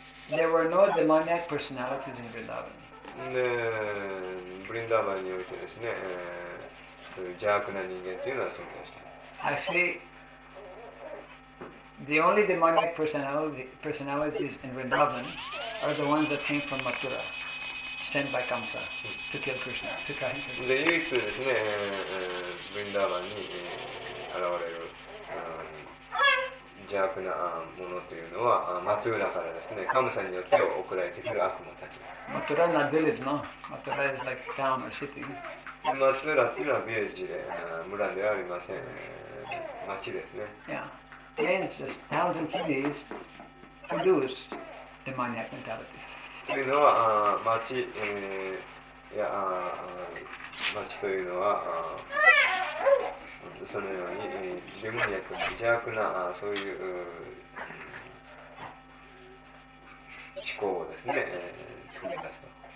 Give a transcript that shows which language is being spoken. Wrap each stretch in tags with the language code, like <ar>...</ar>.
<en>There were no demoniac personalities in Vrindavan.</en> <ja>で、ブリンダーバンにおいてですね、そういう邪悪な人間というのは存在しています。</ja> <en>Actually,the only demonic personalities in Vrindavan are the ones that came from Mathura. sent by Kamsa to kill Krishna, to kill Krishna.</en> <ja>で、唯一ですね、ブリンダーバンに、現れる、邪悪なものというのは、マトゥーラからですね、カムサによって送られてくる悪魔たち。マトゥーラはビレッジ、no?</ja> <en>マトゥーラ is like town, a city.</en> <ja>マトゥーラというのはビレッジで、村ではありません。町ですね。</ja> <en>Yeah. Again, it's just towns and cities produce demoniac mentality.</en> <ja>というのは、町、いや、町というのは、そのようにデモニアと邪悪なそういう思考をですね、作り出すと。</ja>